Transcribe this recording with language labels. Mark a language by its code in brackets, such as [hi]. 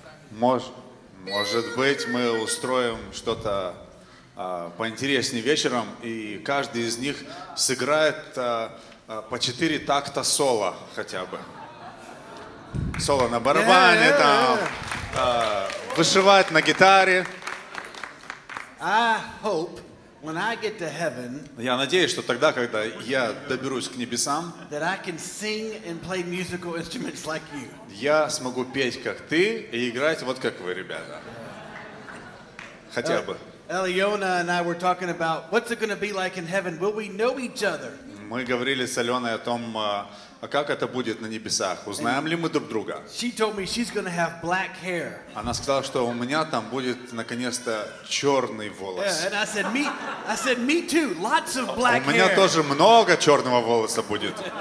[ru] Может быть, мы устроим что-то поинтереснее вечером, и каждый из них сыграет по 4 такта соло хотя бы. Соло на барабане, вышивать на гитаре. [en] I hope When I get to heaven, [ru] я надеюсь, что тогда, когда я доберусь к небесам, [en] that I can sing and play musical instruments like you. [ru] Я смогу петь как ты и играть вот как вы, ребята. Хотя бы. [en] Eliona and I were talking about what's it going to be like in heaven? Will we know each other? [ru] Мы говорили с Аленой о том, а как это будет на небесах? Узнаем ли мы друг друга? [en] She told me she's going to have black hair. [ru] Она сказала, что у меня там будет наконец-то черный волос. [en] Yeah, and I said me too. Lots of black hair. [ru] У меня тоже много черного волоса будет.